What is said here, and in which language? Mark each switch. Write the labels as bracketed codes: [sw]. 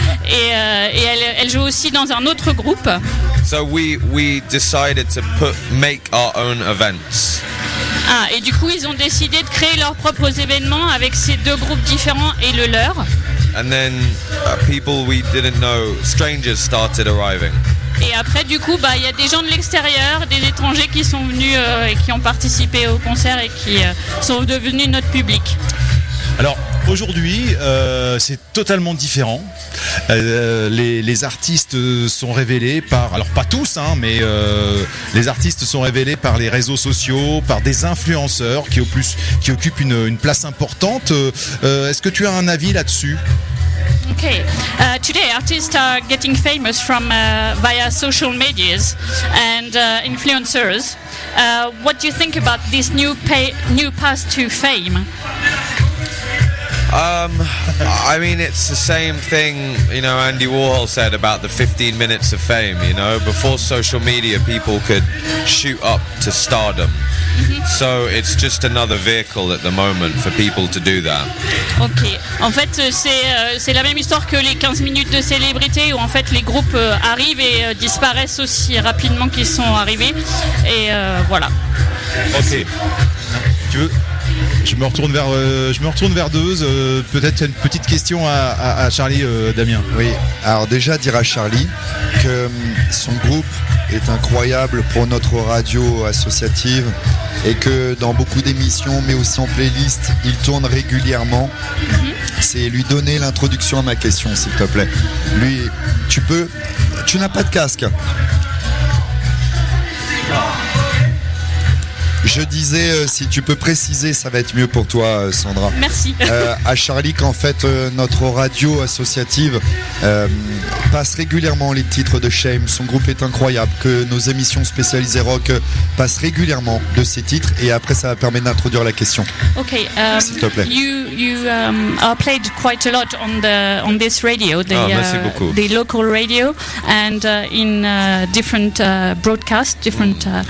[fr] Et elle joue aussi dans un autre groupe. [en] So we decided to make our own events. [fr] Ah, et du coup, ils ont décidé de créer leurs propres événements avec ces deux groupes différents et le leur. [en] And then people we didn't know, strangers started arriving. [fr] Et après, du coup, bah, y a des gens de l'extérieur, des étrangers qui sont venus et qui ont participé au concert et qui sont devenus notre public. Alors, aujourd'hui, c'est totalement différent. Les artistes sont révélés par, alors pas tous, hein, mais les artistes sont révélés par les réseaux sociaux, par des influenceurs qui occupent une place importante. Est-ce que tu as un avis là-dessus ? [en] Okay. Today, artists are getting famous from via social medias and influencers. What do you think about this new path to fame? I mean, it's the same thing, you know, Andy Warhol said about the 15 minutes of fame. You know, before social media, people could shoot up to stardom. So it's just another vehicle at the moment for people to do that. [fr] Ok, en fait c'est la même histoire que les 15 minutes de célébrité où en fait les groupes arrivent et disparaissent aussi rapidement qu'ils sont arrivés et voilà. Ok, tu veux, je me retourne vers Deuze, peut-être une petite question à Charlie, Damien. Oui, alors déjà dire à Charlie que son groupe est incroyable pour notre radio associative et que dans beaucoup d'émissions mais aussi en playlist il tourne régulièrement. C'est lui donner l'introduction à ma question s'il te plaît. Lui, tu n'as pas de casque. Je disais, si tu peux préciser, ça va être mieux pour toi, Sandra. Merci. À Charlie qu'en fait, notre radio associative passe régulièrement les titres de Shame. Son groupe est incroyable, que nos émissions spécialisées rock passent régulièrement de ces titres. Et après, ça va permettre d'introduire la question. Ok. S'il te plaît. [en] You are played quite a lot on this radio. [fr] Merci beaucoup. [en] The local radio and in different broadcasts, different...